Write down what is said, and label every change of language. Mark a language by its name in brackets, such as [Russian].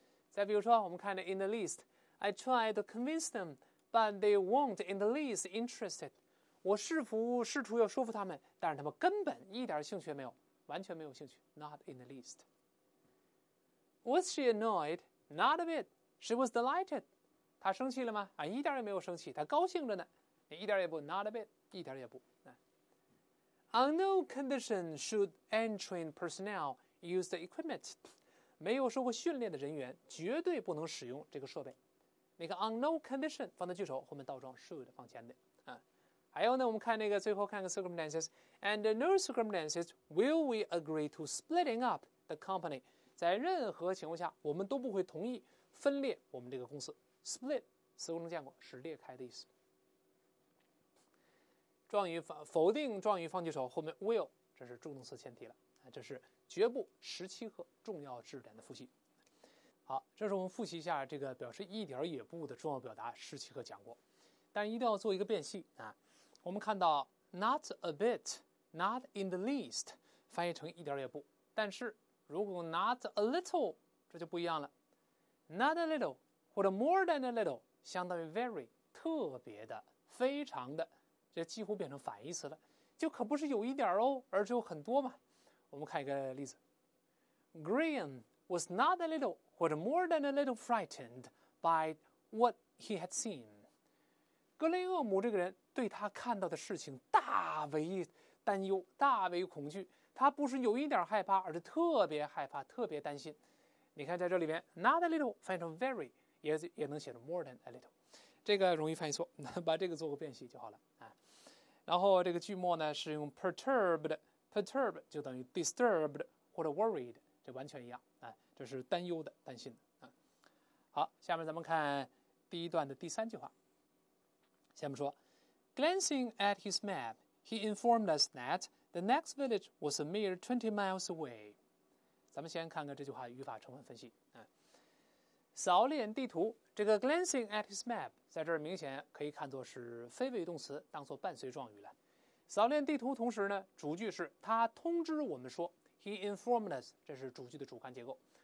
[Chinese] 再比如说，我们看的 [English] in the least, I try to convince them, but they won't in the least interested. [Chinese] 我试图要说服他们，但是他们根本一点兴趣没有，完全没有兴趣。 [English] Not in the least. Was she annoyed? Not a bit. She was delighted. [Chinese] 她生气了吗？啊，一点也没有生气，她高兴着呢。一点也不 [English] ，not a bit， 一点也不。On no condition should untrained personnel use the equipment. [Chinese] 没有受过训练的人员绝对不能使用这个设备。那个 on no condition 放在句首，后面倒装 should 放前面。还有呢，我们看那个最后看个 circumstances. [English] And no circumstances will we agree to splitting up the company. [Chinese] 在任何情况下，我们都不会同意分裂我们这个公司。 Split 词中见过，是裂开的意思。状语否定状语放句首，后面 will， 这是助动词前提了，这是绝不十七课重要知识点的复习。好，这是我们复习一下这个表示一点也不的重要表达，十七课讲过，但一定要做一个辨析啊。我们看到 not a bit， not in the least 翻译成一点也不，但是如果 not a little 这就不一样了， not a little 或者 more than a little 相当于 very， 特别的，非常的，这几乎变成反义词了，就可不是有一点哦，而是有很多嘛。我们看一个例子， [English] Graham was not a little [Chinese] 或者 [English] more than a little frightened by what he had seen。 [Chinese] 格雷厄姆这个人对他看到的事情大为担忧，大为恐惧，他不是有一点害怕，而是特别害怕，特别担心。你看在这里面 not a little 翻译成 very 也能写成 more than a little， 这个容易翻译错，把这个做个辨析就好了。然后这个句末呢是用 perturbed 就等于 disturbed 或者 worried， 这完全一样啊，这是担忧的，担心的啊。好，下面咱们看第一段的第三句话。下面说 [English] Glancing at his map, he informed us that the next village was a mere 20 miles away. [Chinese] 咱们先看看这句话语法成分分析啊。扫脸地图，这个 glancing at his map 在这儿明显可以看作是非谓动词，当作伴随状语了。扫脸地图，同时呢，主句是他通知我们说 ，he informed us， 这是主句的主干结构。